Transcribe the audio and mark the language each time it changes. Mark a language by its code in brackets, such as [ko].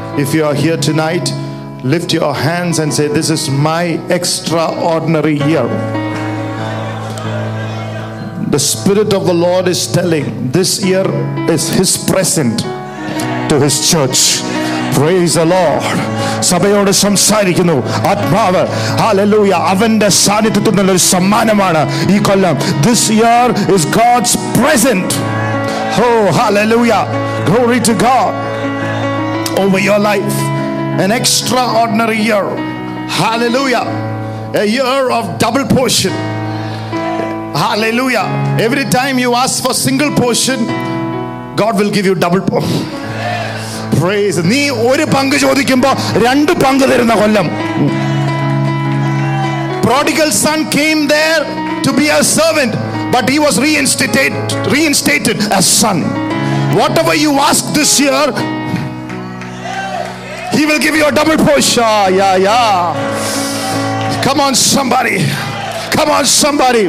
[en] If you are here tonight, lift your hands and say, "This is my extraordinary year." The Spirit of the Lord is telling, this year is His present to His church. Praise the Lord. [ml] സഭയോട് സംസാരിക്കുന്നു ആത്മാവ്. Hallelujah. അവന്റെ സാന്നിധ്യത്തിൽ നിന്നുള്ള ഒരു സമ്മാനമാണ് ഈ കൊല്ലം. [en] This year is God's present. Oh, hallelujah. Glory to God. Over your life, an extraordinary year. Hallelujah. A year of double portion. Hallelujah. Every time you ask for single portion, God will give you double portion. Praise. [ml] നീ ഒരു പങ്ക് ചോദിക്കുമ്പോ രണ്ട് പങ്ക് തരുന്ന കൊല്ലം. [en] Prodigal son came there to be a servant, but he was reinstated as son. Whatever you ask this year, He will give you a double portion. Yeah, yeah. Come on, somebody. Come on, somebody.